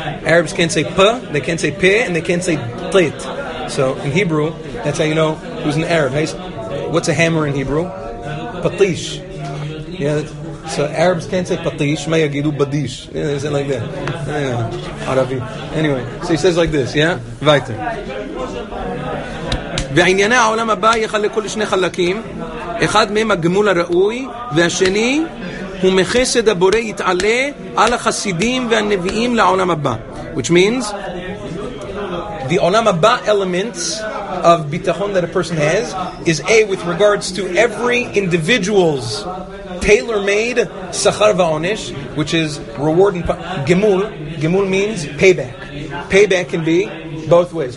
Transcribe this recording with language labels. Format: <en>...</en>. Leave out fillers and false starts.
<en>Arabs can't say P, they can't say Pe, and they can't say Tlet. So in Hebrew, that's how you know who's an Arab. What's a hammer in Hebrew? Patish. Yeah. So Arabs can't say patish, maya gidu badish. Yeah, they say like that. Arabi. Anyway, so he says like this, yeah?</en> <he>Vaiter. וענייני העולם הבא יחלקו לשני חלקים. אחד מהם הגמול הראוי, והשני הוא מחסד הבורא יתעלה על החסידים והנביאים לעולם הבא.</he> <en>Which means, the עולם הבא elements of ביטחון that a person has is A, with regards to every individual's tailor-made שכר ועונש, which is reward and gemul. Gemul means payback. Payback can be both ways.</en>